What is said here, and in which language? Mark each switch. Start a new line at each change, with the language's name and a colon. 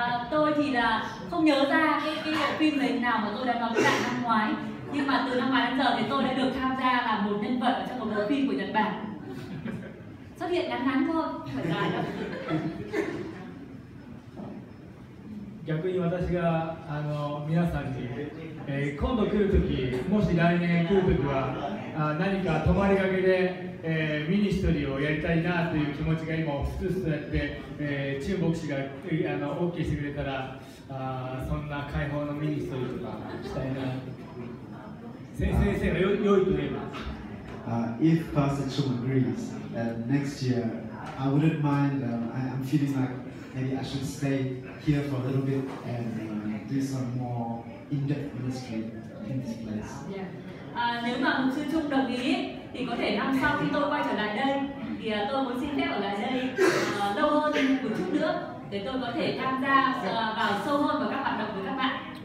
Vietnamese: Tôi thì là không nhớ ra cái bộ phim này nào mà tôi đã đóng lại năm ngoái, nhưng mà từ năm ngoái đến giờ thì tôi đã được tham gia là một nhân vật trong một bộ phim của Nhật Bản. Xuất hiện ngắn ngắn thôi, phải dài đâu.
Japanese: 逆に私が皆さんに、今度来るとき、もし来年来るときは何か泊まりがけで、ミニストリーをやりたいなという気持ちが今ふつふつとやって、チュン牧師が OK してくれたら、そんな解放のミニストリーとかしたいな。先生が良いと言えば、
English: If Pastor Chun agrees that next year I wouldn't mind, I'm feeling likeMaybe I should stay here for a little bit and do some more in-depth ministry in this place. Yeah.
Vietnamese: Nếu mà mục sư Trung đồng ý thì có thể năm sau khi tôi quay trở lại đây thì tôi muốn xin phép ở lại đây lâu hơn một chút nữa để tôi có thể tham gia vào sâu hơn vào các hoạt động của các bạn.